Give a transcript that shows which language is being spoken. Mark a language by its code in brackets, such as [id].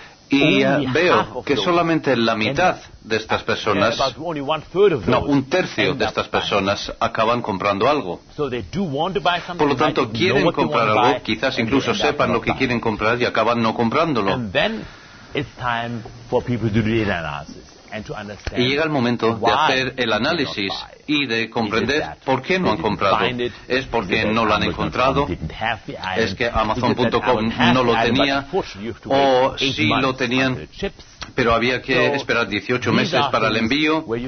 [es] Y veo que solamente la mitad de estas personas, no, 1/3 de estas personas acaban comprando algo. Por lo tanto, quieren comprar algo, quizás incluso sepan lo que quieren comprar y acaban no comprándolo. [en] It's time for people to do the analysis and to understand. [es] Y llega el momento de hacer el análisis y de comprender por qué no han comprado. ¿Es porque no lo han encontrado? ¿Es que Amazon.com no lo tenía? ¿O si lo tenían, pero había que esperar 18 meses para el envío?